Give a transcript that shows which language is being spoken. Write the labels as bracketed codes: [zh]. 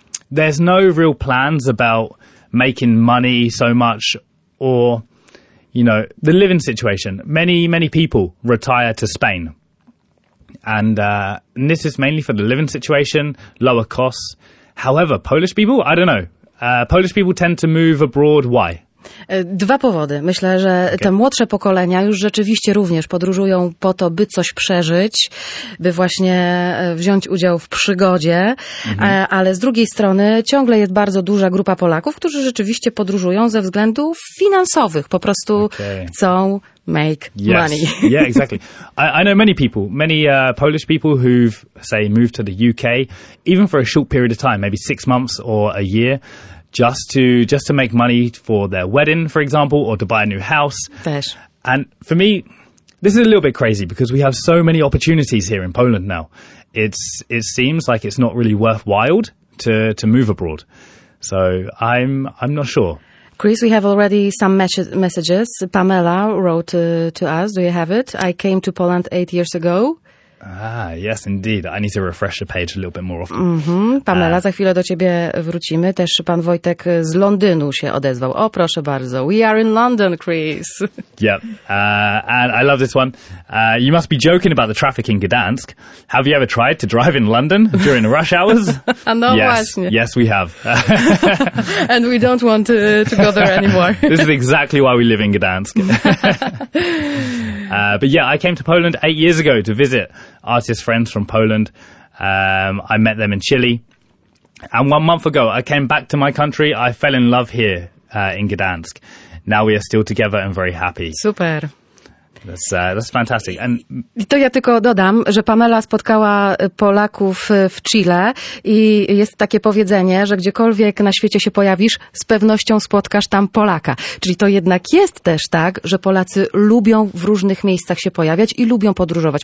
[en] There's no real plans about making money so much or, you know, the living situation. Many, many people retire to Spain. And this is mainly for the living situation, lower costs. However, Polish people, I don't know. Polish people tend to move abroad. Why? [pl] Dwa powody. Myślę, że te młodsze pokolenia już rzeczywiście również podróżują po to, by coś przeżyć, by właśnie wziąć udział w przygodzie, ale z drugiej strony ciągle jest bardzo duża grupa Polaków, którzy rzeczywiście podróżują ze względów finansowych, po prostu chcą [en] make money. Yeah, exactly. I know many people, many Polish people who've, say, moved to the UK, even for a short period of time, maybe 6 months or a year, just to make money for their wedding, for example, or to buy a new house. [pl] Też. [en] And for me, this is a little bit crazy because we have so many opportunities here in Poland now. It seems like it's not really worthwhile to move abroad. So I'm not sure. Chris, we have already some messages. Pamela wrote to us. Do you have it? I came to Poland 8 years ago. Ah, yes, indeed. I need to refresh the page a little bit more often. [pl] Pamela, za chwilę do ciebie wrócimy. Też pan Wojtek z Londynu się odezwał. O, proszę bardzo. [en] We are in London, Chris. Yep. And I love this one. You must be joking about the traffic in Gdansk. Have you ever tried to drive in London during rush hours? No, yes. [pl] Właśnie. [en] Yes, we have. And we don't want to go there anymore. This is exactly why we live in Gdansk. But yeah, I came to Poland 8 years ago to visit artist friends from Poland. I met them in Chile. And 1 month ago, I came back to my country. I fell in love here in Gdansk. Now we are still together and very happy. Super. That's fantastic. And [pl] to ja tylko dodam, że Pamela spotkała Polaków w Chile i jest takie powiedzenie, że gdziekolwiek na świecie się pojawisz, z pewnością spotkasz tam Polaka. Czyli to jednak jest też tak, że Polacy lubią w różnych miejscach się pojawiać i lubią podróżować.